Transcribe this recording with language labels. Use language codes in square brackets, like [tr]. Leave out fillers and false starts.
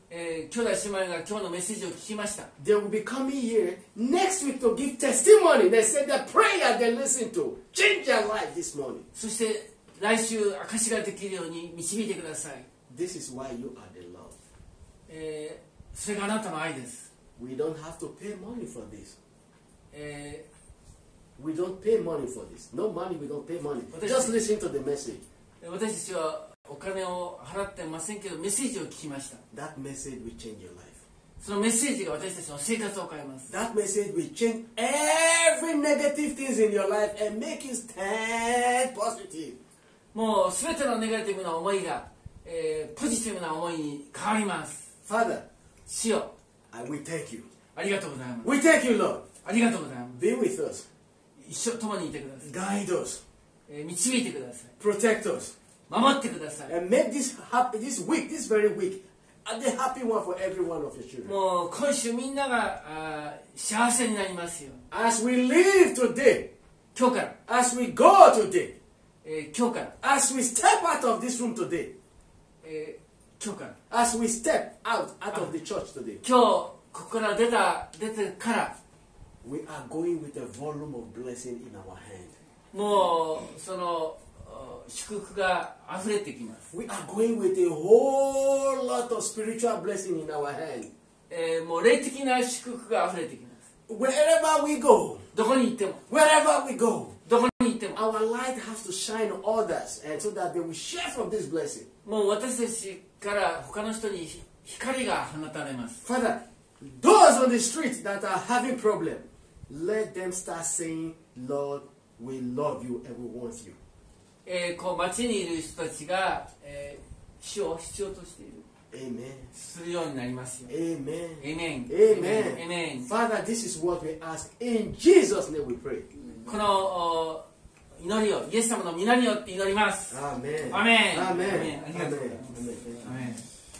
[ja] 兄弟姉妹が今日のメッセージを聞きました。 [en] They will be coming here next week to give testimony. They said the prayer they listened to changed their life this morning. [ja] そして来週証しができるように導いてください。 [en] This is why you are the love. [ja] それがあなたの愛です。 [en] We don't have to pay money for this. We don't pay money for this. No money, we don't pay money. Just listen to the message. [ja] 私たちはお金を払ってませんけど、メッセージを聞きました。 [en] That message will change your life. [ja] そのメッセージが私たちの生活を変えます。 [en] That message will change every negative things in your life and make you stand positive. [ja] もう全てのネガティブな思いが、ポジティブな思いに変わります。 [en] Father, [ja] 主よ、 [en] we thank you. [ja] ありがとうございます。 [en] We thank you, Lord. [ja] ありがとうございます。 [en] Be with us. [ja] 一緒共にいてください。 [en] Guide us. [ja] 導いてください。 [en] Protect us. [ja] 守ってください。 [en] And make this happy this week, this very week, a happy one for every one of your children. [ja] もう今週みんなが幸せになりますよ。 [en] As we leave today, [ja] 今日から。 [en] As we go today, [ja] 今日から。 [en] As we step out of this room today, [ja] 今日から。 [en] As we step out of the church today, [ja] 今日ここから出てから。 [en] We are going with a volume of blessing in our hand. [ja] もうその祝福が溢れてきます。 [en] We are going with a whole lot of spiritual blessing in our hand. [ja] もう霊的な祝福が溢れてきます。 [en] Wherever we go, [ja] どこに行っても。 [en] Wherever we go, [ja] どこに行っても。 [en] Our light has to shine on others, and so that they will share from this blessing. [ja] もう私たちから他の人に光が放たれます。 [en] Father, those on the street that are having problem, let them start saying, Lord, we love you and we want you. [ja] こう街にいる人たちが、主を必要としている [en] Amen. [ja] するようになりますよ。 [en] Amen. Amen. Amen. Amen. Father, this is what we ask in Jesus' name we pray. [ja] この祈りをイエス様の御名によって祈ります。 [en] Amen. Amen. Amen. [ja] ありがとうございます。 [en] Amen. Amen.